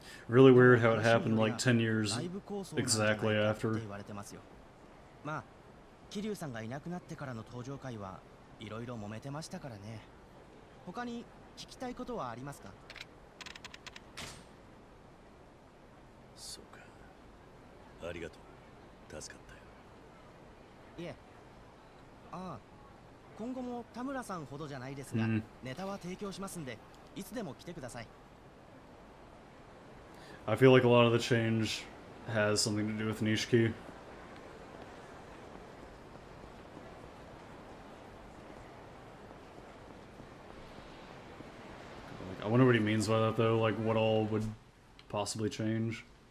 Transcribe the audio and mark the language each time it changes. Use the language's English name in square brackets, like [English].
[English] Really weird how it happened like 10 years exactly after. [Japanese] まあ、キリュウさんがいなくなってからの登場会はいろいろ揉めてましたからね。他に聞きたいことはありますか?そうか。ありがとう。助かったよ。いえ。ああ、今後も田村さんほどじゃないですが、ネタは提供しますんで、いつでも来てください。 [English] I feel like a lot of the change has something to do with Nishiki. I wonder what he means by that, though. Like, what all would possibly change?